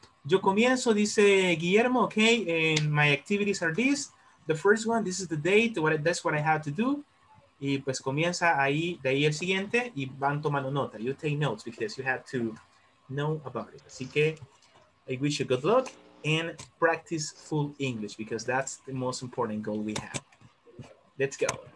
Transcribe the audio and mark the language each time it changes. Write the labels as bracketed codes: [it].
[es] Yo comienzo, dice Guillermo, [en] okay, and my activities are this. The first one, this is the date, what, that's what I have to do. [es] Y pues comienza ahí, de ahí el siguiente, y van tomando nota. [en] You take notes because you have to know about it. [es] Así que, [en] I wish you good luck and practice full English because that's the most important goal we have. Let's go.